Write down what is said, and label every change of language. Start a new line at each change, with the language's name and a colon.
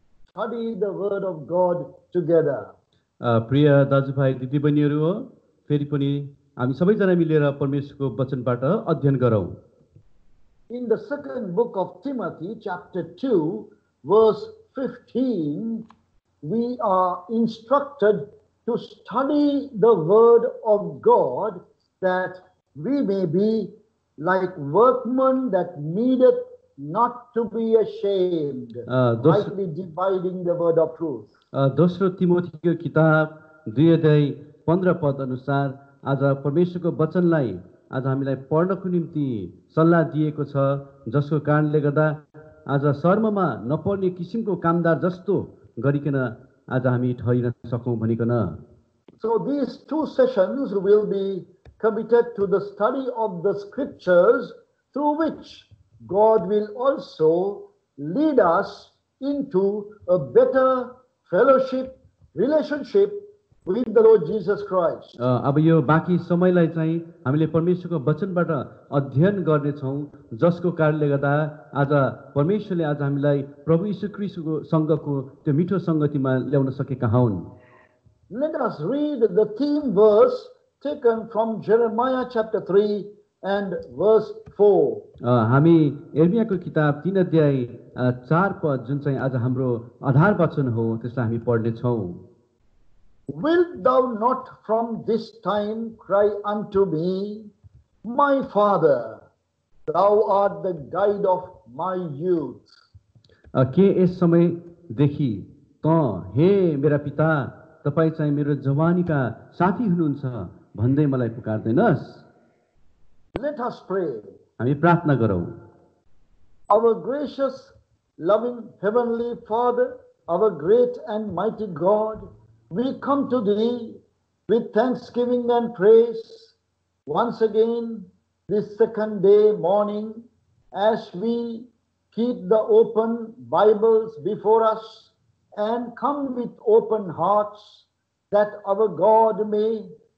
English: Study the word of God together.
Nepali: प्रिय दाजुभाइ दिदीबहिनीहरू हो फेरि पनि हामी सबैजना मिलेर परमेश्वरको वचनबाट अध्ययन गरौँ.
English: In the second book of Timothy, chapter 2, verse 15, we are instructed to study the word of God that we may be like workmen that needeth not to be ashamed, rightly dividing the word of truth.
Nepali: दोस्रो तिमोथीको किताब 2:15 अनुसार आज परमेश्वरको वचनलाई आज हामीलाई पढ्नको निम्ति सल्लाह दिएको छ, जसको कारणले गर्दा आज शर्ममा नपर्ने किसिमको कामदार जस्तो गरिकन आज हामी ठहरिन सकौँ भनिकन.
English: So these two sessions will be committed to the study of the scriptures through which God will also lead us into a better fellowship, relationship with the Lord Jesus Christ.
Nepali: अब यो बाँकी समयलाई चाहिँ हामीले परमेश्वरको वचनबाट अध्ययन गर्नेछौँ, जसको कारणले गर्दा आज परमेश्वरले आज हामीलाई प्रभु यीशु ख्रीष्टको सँगको त्यो मिठो सङ्गतिमा ल्याउन सकेका हौन्.
English: Let us read the theme verse taken from Jeremiah chapter 3 and verse 4.
Nepali: हामी यर्मियाको किताब 3 अध्याय 4 पद जुन चाहिँ आज हाम्रो आधार वचन हो त्यसलाई हामी पढ्नेछौँ.
English: Wilt thou not from this time cry unto me, my father, thou art the guide of my youth.
Nepali: के यस समयदेखि त हे मेरा पिता तपाईँ चाहिँ मेरो जवानीका साथी हुनुहुन्छ भन्दै मलाई पुकार्दैनस्.
English: Let us pray.
Nepali: हामी प्रार्थना गरौँ.
English: Our gracious, loving Heavenly Father, our great and mighty God, we come to Thee with thanksgiving and praise once again this second day morning as we keep the open Bibles before us and come with open hearts that our God may